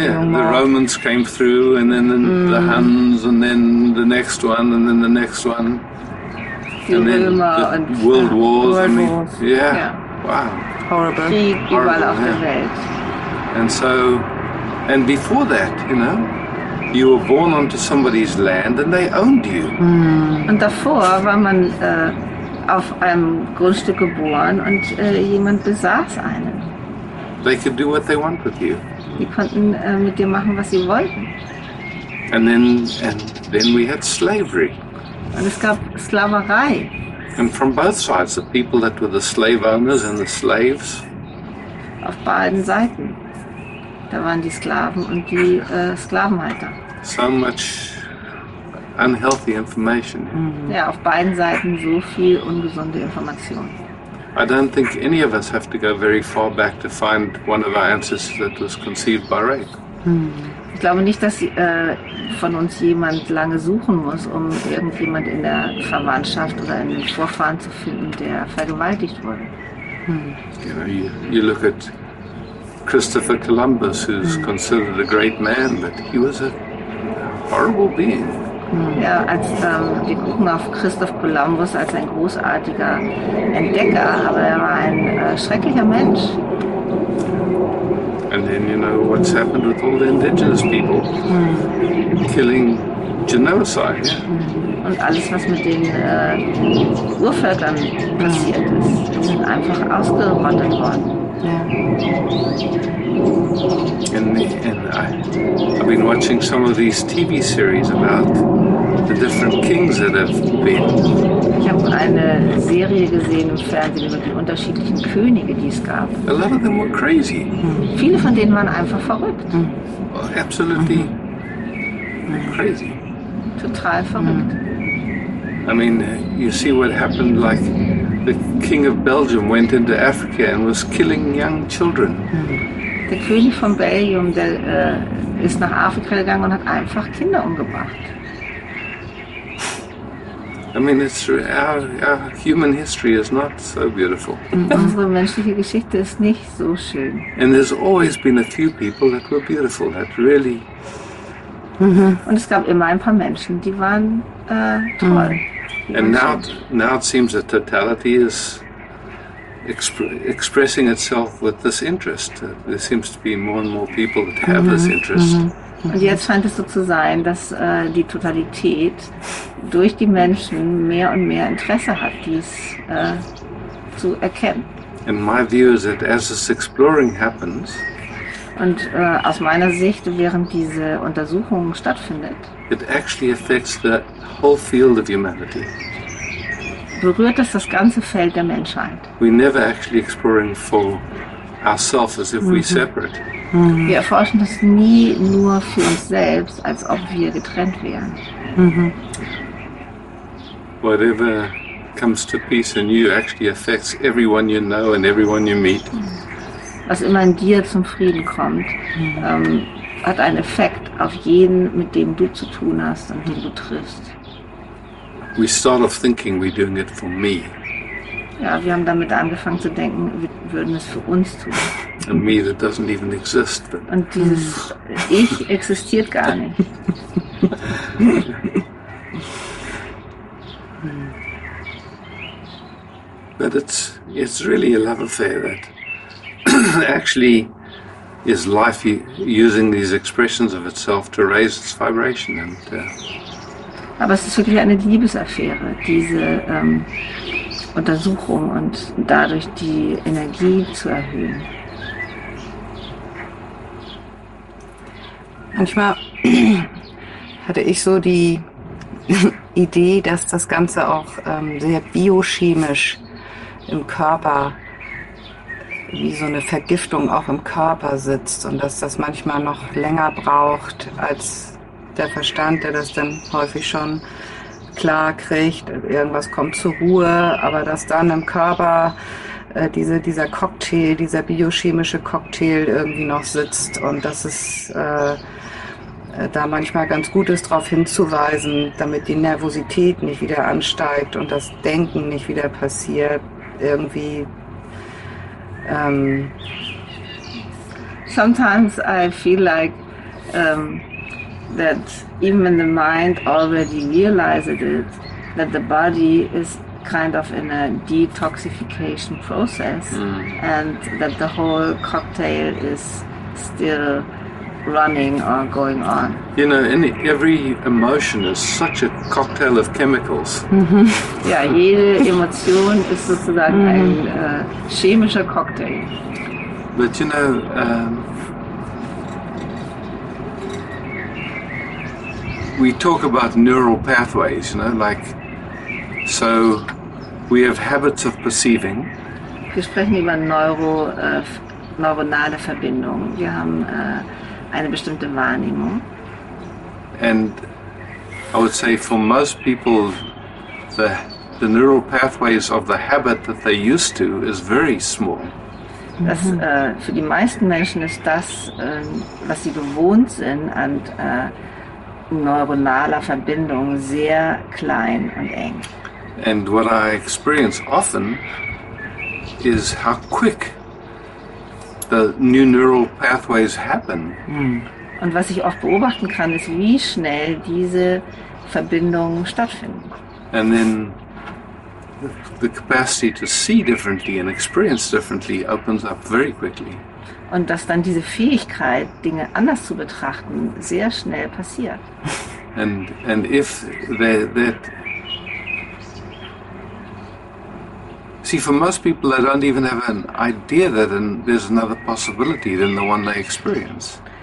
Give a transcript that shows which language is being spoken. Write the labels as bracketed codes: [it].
[en] the Romans came through and then the Huns and then the next one and then the next one. Die and then Römer the und World Wars. World Wars. I mean, yeah. Wow. Horrible. [de] Krieg überall auf der Welt. [en] And so, and before that, you know, you were born onto somebody's land and they owned you. [de] Und davor war man auf einem Grundstück geboren und jemand besaß einen. [en] They could do what they want with you. [de] Die konnten mit dir machen, was sie wollten. [en] And then we had slavery. [de] Und es gab Sklaverei. [en] And from both sides, the people that were the slave owners and the slaves. [de] Auf beiden Seiten. Da waren die Sklaven und die Sklavenhalter. [en] So much unhealthy information. [de] Ja, auf beiden Seiten so viel ungesunde Information. [en] I don't think any of us have to go very far back to find one of our ancestors that was conceived by rape. [de] Ich glaube nicht, dass von uns jemand lange suchen muss, um irgendjemand in der Verwandtschaft oder in den Vorfahren zu finden, der vergewaltigt wurde. [en] You look at Christopher Columbus, who's considered a great man, but he was a horrible being. [de] Ja, als wir gucken auf Christoph Columbus als ein großartiger Entdecker, aber er war ein schrecklicher Mensch. [en] And then you know what's happened with all the indigenous people, killing genocide. [de] Und alles, was mit den Urvölkern passiert ist, sind einfach ausgerottet worden. [en] I've been watching some of these TV series about the different kings that have been. [de] Ich habe eine Serie gesehen im Fernsehen über die unterschiedlichen Könige, die es gab. [en] A lot of them were crazy. [de] Viele von denen waren einfach verrückt. [en] Well, absolutely crazy. [de] Total verrückt. [en] I mean, you see what happened, like the king of Belgium went into Africa and was killing young children. [de] Der König von Belgien, der ist nach Afrika gegangen und hat einfach Kinder umgebracht. [en] I mean, it's our human history is not so beautiful. [de] Unsere menschliche Geschichte ist nicht so schön. [en] And there's always been a few people that were beautiful, that really. [de] Und es gab immer ein paar Menschen, die waren toll. [en] And now it seems that totality is expressing itself with this interest. There seems to be more and more people that have this interest. [de] Und jetzt scheint es so zu sein, dass die Totalität durch die Menschen mehr und mehr Interesse hat, dies zu erkennen. [en] And my view is that as this exploring happens, [de] und aus meiner Sicht, während diese Untersuchung stattfindet, [en] it actually affects the whole field of humanity. [de] Berührt es das ganze Feld der Menschheit. [en] We never actually exploring for ourselves as if we're separate. [de] Wir erforschen das nie nur für uns selbst, als ob wir getrennt wären. [en] Whatever comes to peace in you actually affects everyone you know and everyone you meet. [de] Was immer in dir zum Frieden kommt, hat einen Effekt auf jeden, mit dem du zu tun hast und den du triffst. [en] We start off thinking we're doing it for me. [de] Ja, wir haben damit angefangen zu denken, wir würden es für uns tun. [en] And me that doesn't even exist. But [de] und dieses Ich existiert gar nicht. [en] But it's really a love affair that actually is life using these expressions of itself to raise its vibration and [de] aber es ist wirklich eine Liebesaffäre, diese Untersuchung und dadurch die Energie zu erhöhen. Manchmal hatte ich so die Idee, dass das Ganze auch sehr biochemisch im Körper, wie so eine Vergiftung auch im Körper sitzt und dass das manchmal noch länger braucht als der Verstand, der das dann häufig schon klar kriegt, irgendwas kommt zur Ruhe, aber dass dann im Körper dieser Cocktail, dieser biochemische Cocktail irgendwie noch sitzt und dass es da manchmal ganz gut ist, darauf hinzuweisen, damit die Nervosität nicht wieder ansteigt und das Denken nicht wieder passiert, irgendwie. [en] Sometimes I feel like that even when the mind already realizes it, that the body is kind of in a detoxification process and that the whole cocktail is still running or going on. You know, every emotion is such a cocktail of chemicals. [de] Ja, jede Emotion ist sozusagen ein chemischer Cocktail. [en] But you know, we talk about neural pathways, you know, like, so we have habits of perceiving. [de] Wir sprechen über neuronale Verbindungen. Wir haben eine bestimmte Wahrnehmung. [en] And I would say for most people, the the neural pathways of the habit that they used to is very small. [de] Das, für die meisten Menschen ist das, was sie gewohnt sind an neuronaler Verbindung, sehr klein und eng. [en] And what I experience often is how quick the new neural pathways happen. [de] Und was ich oft beobachten kann, ist, wie schnell diese Verbindungen stattfinden. [en] And then the capacity to see differently and experience differently opens up very quickly. [de] Und dass dann diese Fähigkeit, Dinge anders zu betrachten, sehr schnell passiert. [en] And if that see, for most people, they don't even have an idea that there's another possibility than the one they experience.